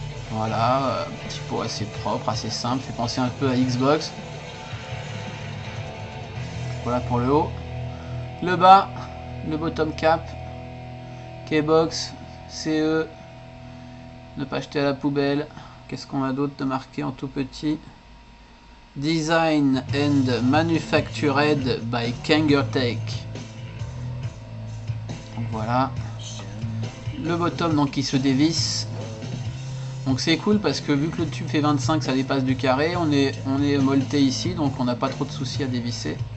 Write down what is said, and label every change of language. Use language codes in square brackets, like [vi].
[fr] Voilà, petit pot assez propre, assez simple, fait penser un peu à Xbox. Voilà pour le haut. Le bas, le bottom cap, K-Box, CE, ne pas jeter à la poubelle. Qu'est-ce qu'on a d'autre de marqué en tout petit? [en] Design and manufactured by Kangertech. [fr] Donc voilà. Le bottom donc qui se dévisse. Donc c'est cool parce que vu que le tube fait 25, ça dépasse du carré. On est molleté ici, donc on n'a pas trop de soucis à dévisser.